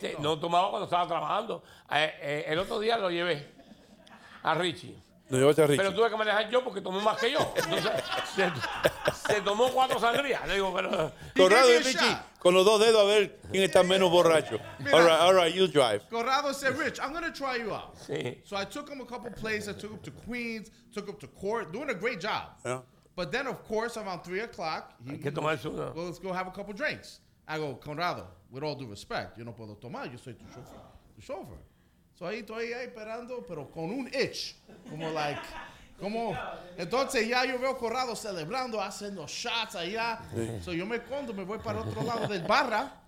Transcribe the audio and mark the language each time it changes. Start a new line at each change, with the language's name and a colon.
Spanish: No tomaba cuando estaba trabajando. El otro día lo llevé a Richie. Lo llevaste a Richie. Pero tuve que manejar yo porque tomó más que yo. Entonces, se tomó cuatro sangrías. Le digo, pero... Conrado y Richie. Con los dos dedos a ver quién está menos borracho. Mira,
English: all right, you drive. Corrado said, Rich, I'm going to try you out.
Spanish: Sí.
English: So I took him a couple places. I took him to Queens, took him to court, doing a great job. Yeah. But then, of course, around 3 o'clock, let's go have a couple drinks. I go, Conrado, with all due respect,
Spanish: yo no puedo tomar, yo soy tu chofer. So ahí estoy ahí esperando, pero con un itch.
English: Como like...
Spanish: Como, entonces ya yo veo Corrado celebrando, haciendo shots allá. Sí. So yo me escondo, me voy para el otro lado del barra.